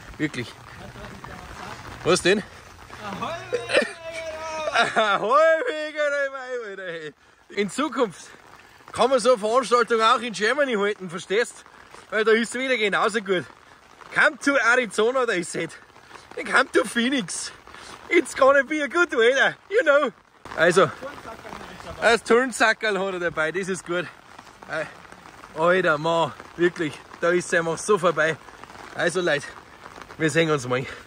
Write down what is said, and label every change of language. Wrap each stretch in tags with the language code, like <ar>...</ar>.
<de>Wirklich. Was denn? Ein halbiger Räuber, in Zukunft kann man so eine Veranstaltung auch in Germany halten, verstehst? Weil da ist es wieder genauso gut.</de> <en>Come to Arizona,</en> <de>da ist es.</de> <en>Come to Phoenix. It's gonna be a good weather, you know.</en> <de>Also, ein Turnsackerl hat er dabei, das ist gut. Alter Mann, wirklich, da ist es einfach so vorbei. Also Leute, wir sehen uns mal.</de>